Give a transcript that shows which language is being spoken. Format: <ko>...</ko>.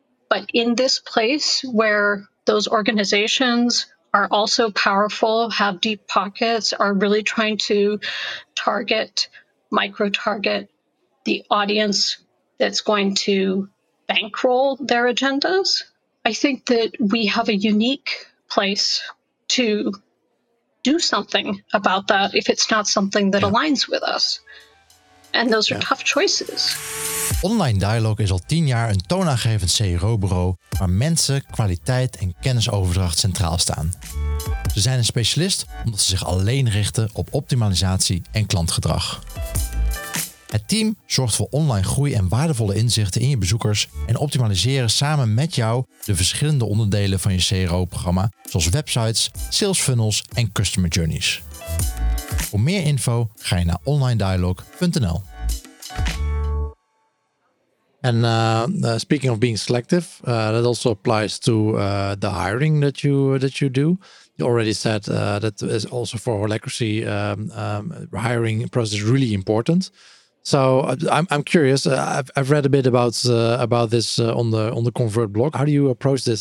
<en>But in this place where those organizations are also powerful, have deep pockets, are really trying to micro-target the audience that's going to bankroll their agendas, I think that we have a unique place to do something about that if it's not something that aligns with us. And those are tough choices.</en> <nl>Online Dialogue is al 10 jaar een toonaangevend CRO-bureau waar mensen, kwaliteit en kennisoverdracht centraal staan. Ze zijn een specialist omdat ze zich alleen richten op optimalisatie en klantgedrag. Het team zorgt voor online groei en waardevolle inzichten in je bezoekers en optimaliseren samen met jou de verschillende onderdelen van je CRO-programma, zoals websites, sales funnels en customer journeys. Voor meer info ga je naar onlinedialogue.nl.</nl> <en>And speaking of being selective, that also applies to the hiring that you do. You already said that is also for Holacracy, hiring process is really important. So I'm curious. I've read a bit about this on the Convert blog. How do you approach this?</en>